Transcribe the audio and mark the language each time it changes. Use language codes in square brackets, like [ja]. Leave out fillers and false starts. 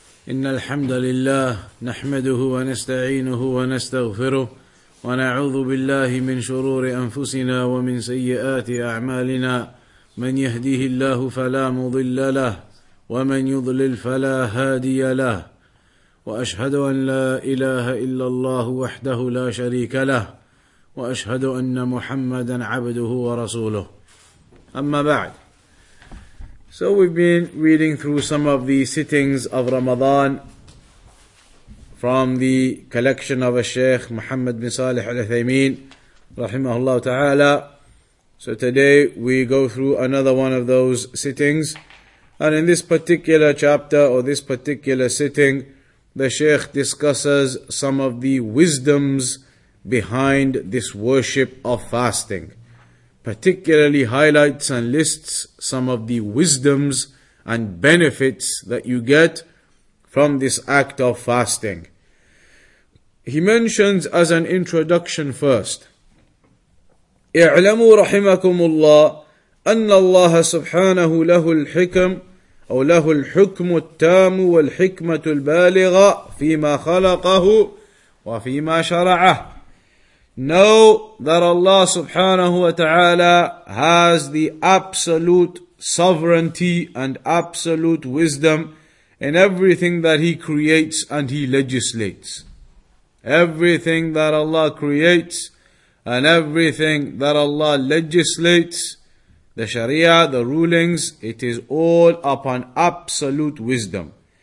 [ar] إن الحمد لله نحمده ونستعينه ونستغفره ونعوذ بالله من شرور أنفسنا ومن سيئات أعمالنا من يهديه الله فلا مضل له ومن يضلل فلا هادي له وأشهد أن لا إله إلا الله وحده لا شريك له وأشهد أن محمدا عبده ورسوله أما بعد. [en] So we've been reading through some of the sittings of Ramadan from the collection of a Shaykh Muhammad bin Salih Uthaymeen, [ar] rahimahullah ta'ala. [en] So today we go through another one of those sittings. And in this particular chapter or this particular sitting, the Shaykh discusses some of the wisdoms behind this worship of fasting. Particularly highlights and lists some of the wisdoms and benefits that you get from this act of fasting. He mentions as an introduction first, [ar] اعلموا رحمكم الله أن الله سبحانه له الحكم أو له الحكم التام والحكمة البالغة فيما خلقه وفيما شرعه. [en] Know that Allah subhanahu wa ta'ala has the absolute sovereignty and absolute wisdom in everything that He creates and He legislates. Everything that Allah creates and everything that Allah legislates, the sharia, the rulings, it is all upon absolute wisdom.